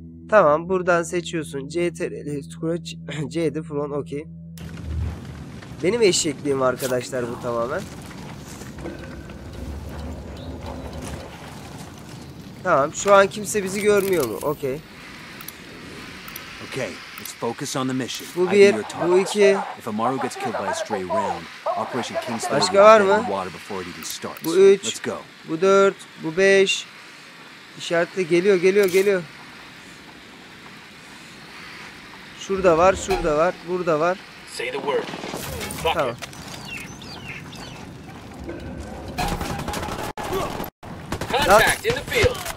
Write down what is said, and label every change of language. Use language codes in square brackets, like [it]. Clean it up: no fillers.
[tr] Tamam, buradan seçiyorsun. CTRL, Scratch, CD, Front, OK. Benim eşekliğim arkadaşlar bu tamamen. Tamam, şu an kimse bizi görmüyor mu? [en] OK. OK. Let's focus on the mission. [tr] Bu bir, bu iki. [en] If Amaru gets killed by a stray round, Operation Kingstar will be on the water before it even starts. Let's go. [tr] Bu dört, bu beş. İşaretle geliyor, geliyor, geliyor. Şurada var, şurada var, burada var. [en] Say the word. [tr] Tamam. [en] Contact in the field.